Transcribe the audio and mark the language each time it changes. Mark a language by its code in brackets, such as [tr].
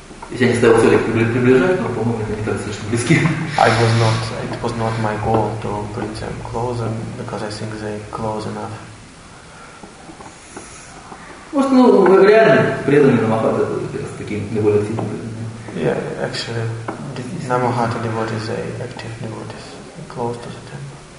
[ru] Я не ставил цели приближать, но, по-моему, они так слишком близки. [en] It was not my goal to bring them closer, because I think they close enough. [ru] Может, ну, реально, преданные намахаты, с такими наиболее активными преданными. [en] Yeah, actually, намахаты devotees, they active devotees, close to the temple.